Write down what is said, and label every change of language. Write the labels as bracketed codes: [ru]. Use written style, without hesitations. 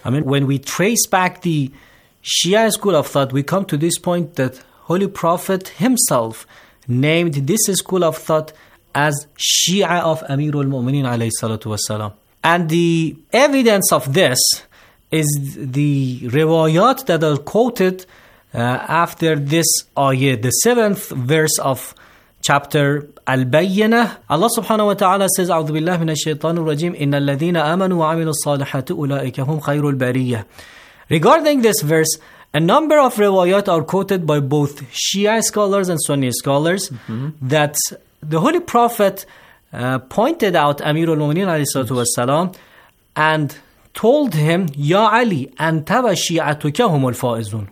[en] I mean, when we trace back the Shia school of thought, we come to this point that Holy Prophet himself named this school of thought as Shia of Amirul Mu'mineen alayhi salatu wasalam. And the evidence of this is the riwayat that are quoted after this ayah, the seventh verse of chapter Al-Bayyinah. Allah subhanahu wa ta'ala says, [ar] أعوذ بالله من الشيطان الرجيم إن الذين آمنوا وعملوا الصالحات أولئك هم خير البرية. [en] Regarding this verse, A number of riwayat are quoted by both Shia scholars and Sunni scholars that the Holy Prophet pointed out Amir al-Mu'minin alayhi wasalam and told him, [ar] Ya Ali, anta wa shi'atuka humul fa'izun.